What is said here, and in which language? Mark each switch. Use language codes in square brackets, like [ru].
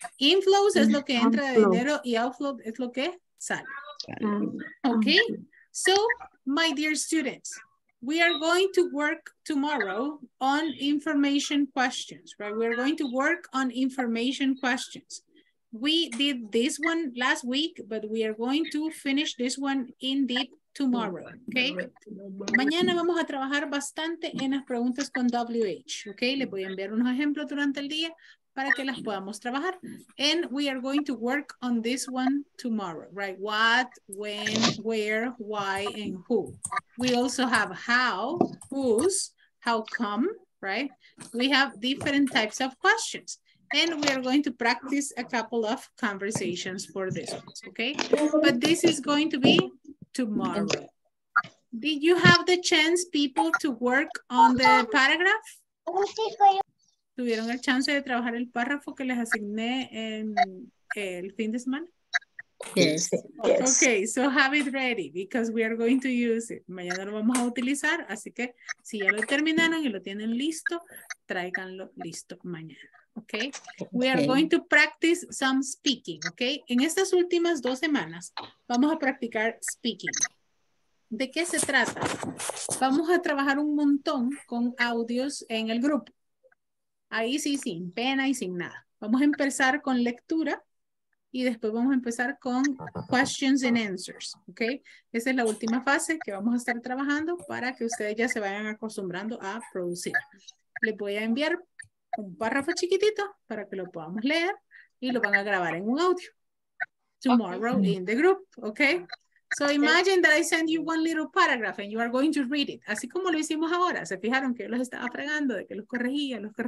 [es] Inflows es lo que entra de dinero y outflow es lo que sale. [en] Okay, so my dear students, we are going to work tomorrow on information questions, right? We're going to work on information questions. We did this one last week, but we are going to finish this one in deep tomorrow, okay? [es] Mañana vamos a trabajar bastante en las preguntas con WH, okay? Les voy a enviar unos ejemplos durante el día para que las podamos trabajar. [en] And we are going to work on this one tomorrow, right? What, when, where, why, and who. We also have how, whose, how come, right? We have different types of questions. And we are going to practice a couple of conversations for this one, okay? But this is going to be tomorrow. Did you have the chance, people, to work on the paragraph? [es] ¿Tuvieron el chance de trabajar el párrafo que les asigné en el fin de semana? [en] Yes. Yes. Okay, so have it ready because we are going to use it. [es] Mañana lo vamos a utilizar, así que si ya lo terminaron y lo tienen listo, tráiganlo listo mañana. [en] Okay, we are going to practice some speaking, okay? [es] En estas últimas dos semanas, vamos a practicar speaking. ¿De qué se trata? Vamos a trabajar un montón con audios en el grupo. Ahí sí, sin pena y sin nada. Vamos a empezar con lectura y después vamos a empezar con [en] questions and answers, [es] okay? Esa es la última fase que vamos a estar trabajando para que ustedes ya se vayan acostumbrando a producir. Les voy a enviar un párrafo chiquitito para que lo podamos leer y lo van a grabar en un audio. [en] Tomorrow in the group, okay? So imagine that I send you one little paragraph and you are going to read it. [es] Así como lo hicimos ahora. Se fijaron que yo los estaba fregando, de que los corregía.